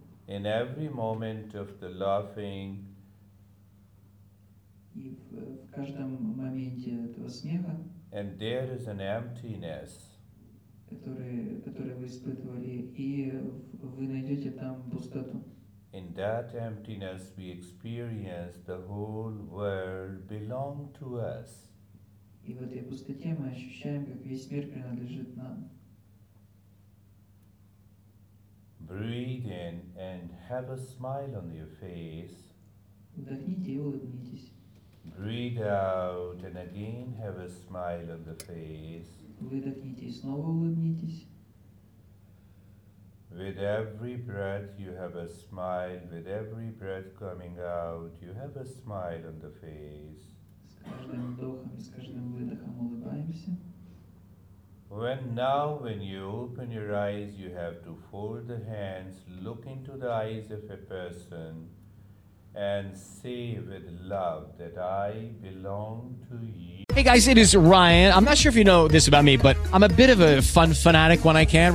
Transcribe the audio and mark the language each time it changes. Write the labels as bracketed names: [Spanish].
[English] In every moment of the laughing. [Russian] И в каждом моменте этого смеха. [English] And there is an emptiness. [Russian] Которые вы испытывали, и вы найдете там пустоту. [English] In that emptiness we experience the whole world belong to us. [Russian] И в этой пустоте мы ощущаем, как весь мир принадлежит нам. [English] Breathe in and have a smile on your face. [Russian] Вдохните и улыбнитесь. [English] Breathe out and again have a smile on the face. [Russian] Выдохните и снова улыбнитесь. [English] With every breath you have a smile, with every breath coming out, you have a smile on the face. [Russian] С каждым вдохом и с каждым выдохом улыбаемся. [English] When you open your eyes, you have to fold the hands, look into the eyes of a person, and say with love that I belong to you. Hey guys, it is Ryan. I'm not sure if you know this about me, but I'm a bit of a fun fanatic when I can.